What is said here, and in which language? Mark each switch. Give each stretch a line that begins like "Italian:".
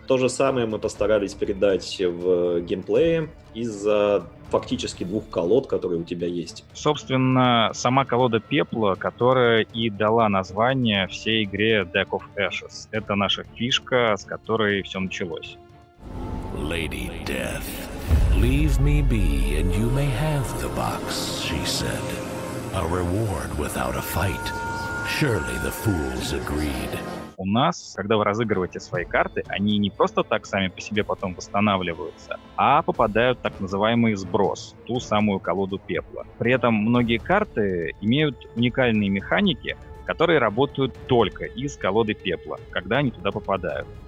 Russian: То же самое мы постарались передать в геймплее из-за фактически двух колод, которые у тебя есть. Собственно, сама колода пепла, которая и дала название всей игре Deck of Ashes. Это наша фишка, с которой все началось.
English: Lady Death, leave me be, and you may have the box, she said. A reward without a fight. Surely the fools agreed.
Russian: У нас, когда вы разыгрываете свои карты, они не просто так сами по себе потом восстанавливаются, а попадают в так называемый сброс, ту самую колоду пепла. При этом многие карты имеют уникальные механики, которые работают только из колоды пепла, когда они туда попадают.